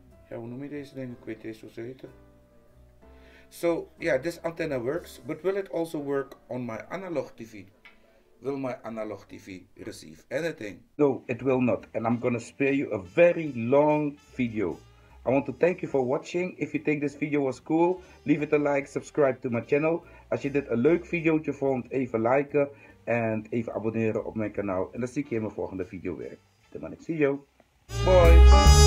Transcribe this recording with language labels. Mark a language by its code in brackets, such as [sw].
[nl] Ja, hoe noem je deze ding? Ik weet niet eens hoe ze heten. [en] So, yeah, this antenna works, but will it also work on my analog TV? Will my analog TV receive anything? No, it will not, and I'm gonna spare you a very long video. I want to thank you for watching. If you think this video was cool, leave it a like, subscribe to my channel. [nl] Als je dit een leuk videootje vond, even liken en even abonneren op mijn kanaal. En dan zie ik je in mijn volgende video weer. Tot dan, ik zie je. Bye!